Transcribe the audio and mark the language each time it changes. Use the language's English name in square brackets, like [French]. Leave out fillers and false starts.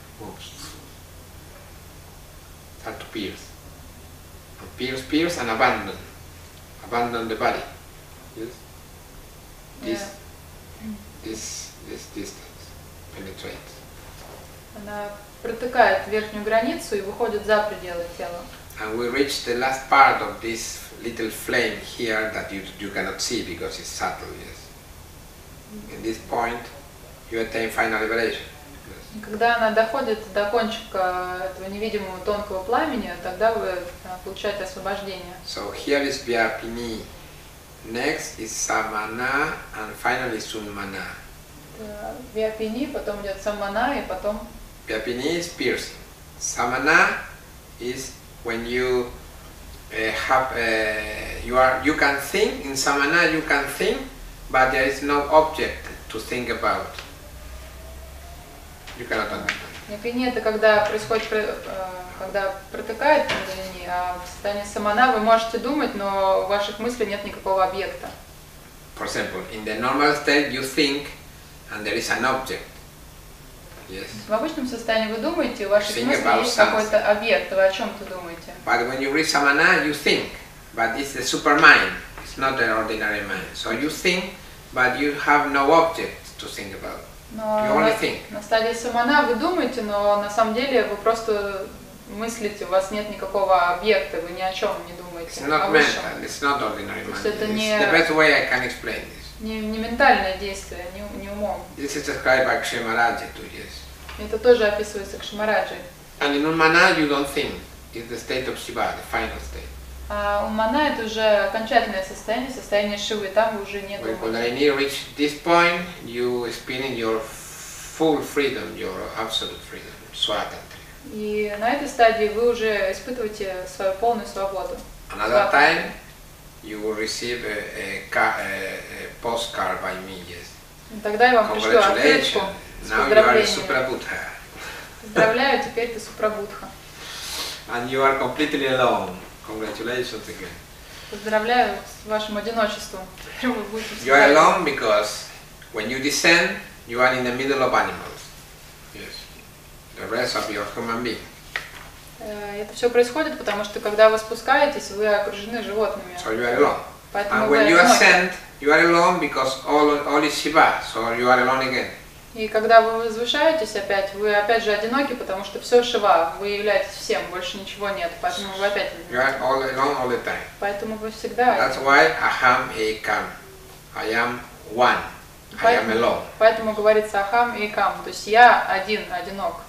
[English] Oops. Start to pierce. appears, appears and abandon. Abandon the body. Yes? This, yeah. this distance penetrates. [Russian] Она протыкает верхнюю границу и выходит за пределы тела. [English] And we reach the last part of this little flame here that you cannot see because it's subtle, yes. In this point, you attain final liberation. [Russian] И когда она доходит до кончика этого невидимого тонкого пламени, тогда вы получаете освобождение. [English] So here is Vyapini. Next is Samana, and finally Summana. [Russian] Vyapini, потом идет Самана, и потом... [English] Vyapini is piercing. Samana is when you you can think, in Samana you can think, but there is no object to think about. You cannot understand. [Russian] Vyapini это когда происходит, когда протыкает Кундалини, а в состоянии Самана вы можете думать, но в ваших мыслях нет никакого объекта. [English] For example, in the normal state you think and there is an object. Yes. [Russian] В обычном состоянии вы думаете, у ваших мыслей есть sense. Какой-то объект, вы о чем-то думаете. [English] But when you reach Samana, you think, but it's the supermind, it's not an ordinary mind. So you think, but you have no object to think about. [Russian] На стадии самана вы думаете, но на самом деле вы просто мыслите, у вас нет никакого объекта, вы ни о чем не думаете. [English] It's not mental, it's not ordinary mind. It's the best way I can explain this. [Russian] Не ментальное действие, не умом. [English] This is described by Кшемараджи too, yes. [Russian] Это тоже описывается Кшемараджи. [English] And in Ummana you don't think. It's the state of Shiva, the final state. [Russian] А Ummana это уже окончательное состояние, состояние Шивы, там уже нет. [English] When Kundalini reach this point, you experience your full freedom, your absolute freedom, Swatantra. [Russian] И на этой стадии вы уже испытываете свою полную свободу. [English] Another time, you will receive a postcard by me, yes. [Russian] Тогда я вам пришлю открытку с поздравлением. [English] Now you are Supra Buddha. [Russian] Поздравляю, теперь ты Супра Будха. [English] And you are completely alone. Congratulations again. [Russian] Поздравляю с вашим одиночеством. [English] You are alone because when you descend, you are in the middle of animals. Yes. The rest of your human being. [Russian] Это все происходит, потому что когда вы спускаетесь, вы окружены животными. [English] So you are alone. [Russian] Поэтому [English] and when you ascend, you are alone because all is Shiva, so you are alone again. [Russian] И когда вы возвышаетесь опять, вы опять же одиноки, потому что все Шива, вы являетесь всем, больше ничего нет, поэтому вы опять одиноки. [English] You are all alone all the time. [Russian] Поэтому вы всегда. [English] That's why [Sanskrit] Aham Ekam. [English] I am one. I am alone. [Russian] Поэтому говорится [Sanskrit] Aham Ekam, [Russian] то есть я один, одинок.